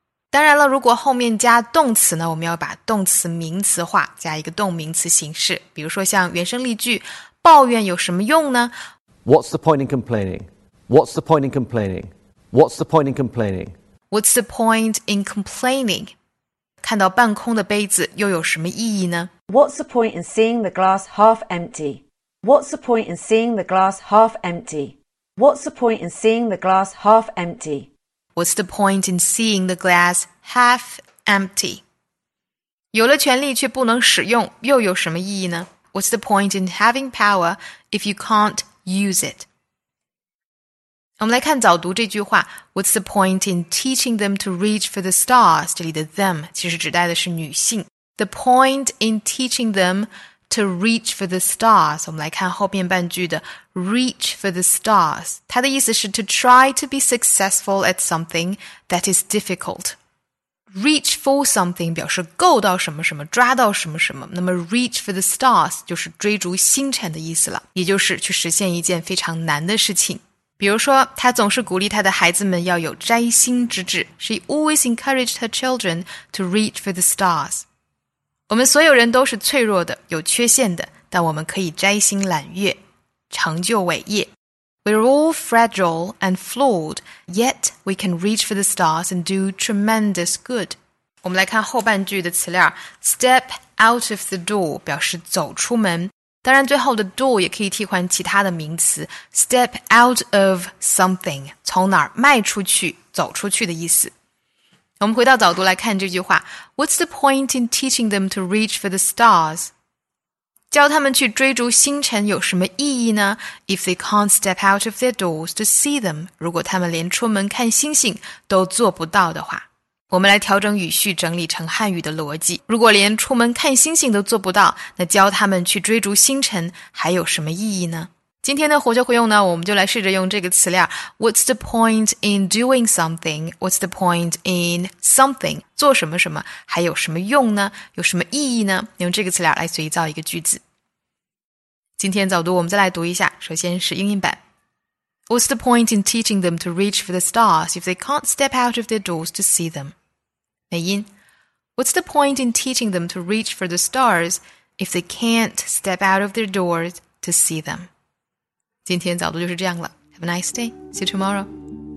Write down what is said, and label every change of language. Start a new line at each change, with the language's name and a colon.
Chinese: 当然了，如果后面加动词呢，我们要把动词名词化，加一个动名词形式。比如说像原声例句，抱怨有什么用呢？
English: What's the point in complaining? What's the point in complaining? What's the point in complaining? What's the point in complaining?
Chinese: 看到半空的杯子又有什么意义呢？
English: What's the point in seeing the glass half empty? What's the point in seeing the glass half empty? What's the point in seeing the glass half empty? What's the point in seeing the glass half empty?
Chinese: 有了权力却不能使用又有什么意义呢?
English: What's the point in having power if you can't use it?
Chinese: 我们来看早读这句话。
English: What's the point in teaching them to reach for the stars?
Chinese: 这里的 them 其实指代的是女性。
English: The point in teaching them to reach for the stars.
Chinese: 我们来看后面半句的。
English: Reach for the stars.
Chinese: 它的意思是
English: to try to be successful at something that is difficult. Reach for something
Chinese: 表示够到什么什么，抓到什么什么。那么
English: reach for the stars
Chinese: 就是追逐星辰的意思了，也就是去实现一件非常难的事情。比如说，她总是鼓励她的孩子们要有摘星之志。
English: She always encouraged her children to reach for the stars.
Chinese: 我们所有人都是脆弱的，有缺陷的，但我们可以摘星揽月。成就伟业。
English: We're all fragile and flawed, yet we can reach for the stars and do tremendous good.
Chinese: 我们来看后半句的词料
English: step out of the door
Chinese: 表示走出门。当然最后的 door 也可以替换其他的名词
English: step out of something,
Chinese: 从哪儿迈出去走出去的意思。我们回到早读来看这句话
English: What's the point in teaching them to reach for the stars?
Chinese: 教他们去追逐星辰有什么意义呢?
English: If they can't step out of their doors to see them,
Chinese: 如果他们连出门看星星都做不到的话。我们来调整语序整理成汉语的逻辑。如果连出门看星星都做不到,那教他们去追逐星辰还有什么意义呢? 今天的活学活用呢,我们就来试着用这个词料
English: What's the point in doing something? What's the point in something?
Chinese: 做什么什么,还有什么用呢?有什么意义呢? 用这个词料来随意造一个句子。今天早读我们再来读一下,首先是英音版。
English: What's the point in teaching them to reach for the stars if they can't step out of their doors to see them?
Chinese: 美音。
English: What's the point in teaching them to reach for the stars if they can't step out of their doors to see them?
Chinese: 今天早读就是这样了。
English: Have a nice day. See you tomorrow.